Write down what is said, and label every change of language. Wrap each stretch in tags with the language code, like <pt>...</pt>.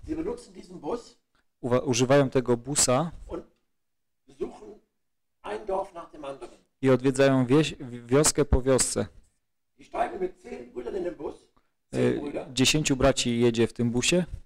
<de>Sie benutzen diesen Bus.</de> <pl>Używają tego busa.</pl> <de>Und besuchen ein Dorf nach dem anderen.</de> <pl>I odwiedzają wioskę po wiosce.</pl> <de>Sie steigen mit 10 Brüdern in den Bus.</de> <pl>10 braci jedzie w tym busie.</pl>